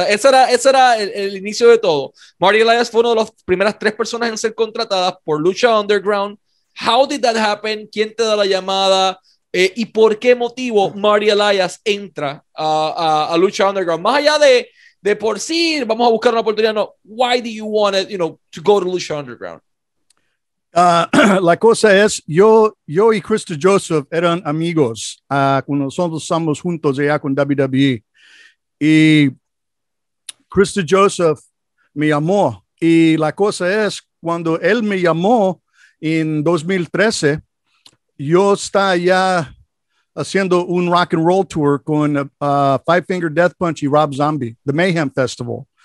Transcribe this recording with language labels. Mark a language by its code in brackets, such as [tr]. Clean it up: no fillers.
[es] O sea, ese era el inicio de todo. Marty Elias fue una de las primeras tres personas en ser contratadas por Lucha Underground. [en] How did that happen? [es] ¿Quién te da la llamada? ¿Y por qué motivo Marty Elias entra a Lucha Underground? Más allá de por sí, vamos a buscar una oportunidad, no. [en] Why do you want it, to go to Lucha Underground? [es] La cosa es, yo y Christo Joseph eran amigos cuando nosotros estamos juntos allá con WWE. Y Christo Joseph me llamó. Y la cosa es, cuando él me llamó en 2013, yo estaba ya haciendo un rock and roll tour con Five Finger Death Punch y Rob Zombie, The Mayhem Festival.